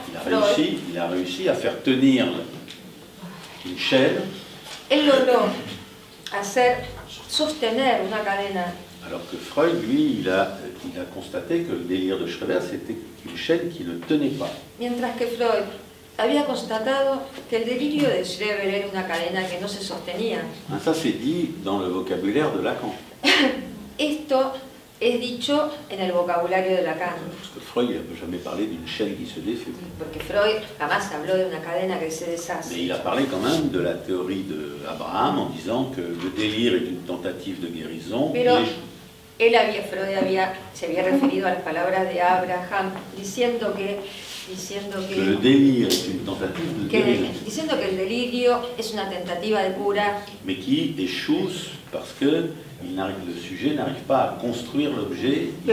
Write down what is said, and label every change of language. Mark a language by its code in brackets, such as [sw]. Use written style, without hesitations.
[fr] il a réussi a faire tenir une chaîne. [es] Él logró hacer sostener una cadena. [fr] Alors que Freud, lui, il a constaté que le délire de Schreber, c'était une chaîne qui ne tenait pas. [es] Mientras que Freud había constatado que el delirio de Schreber era una cadena que no se sostenía. [fr] Ça c'est dit dans le vocabulaire de Lacan. [es] Esto es dicho en el vocabulario de Lacan. [fr] Parce que Freud n'a jamais parlé d'une chaîne qui se défait. [es] Porque Freud jamás habló de una cadena que se deshace. [fr] Mais il a parlé quand même de la théorie de Abraham en disant que le délire est une tentative de guérison. [es] Pero Freud se había referido a las palabras de Abraham diciendo que [fr] le délire est une tentative de guérison. [es] Diciendo que el delirio es una tentativa de cura. [fr] Mais qui échoue parce que le sujet n'arrive pas à construire l'objet.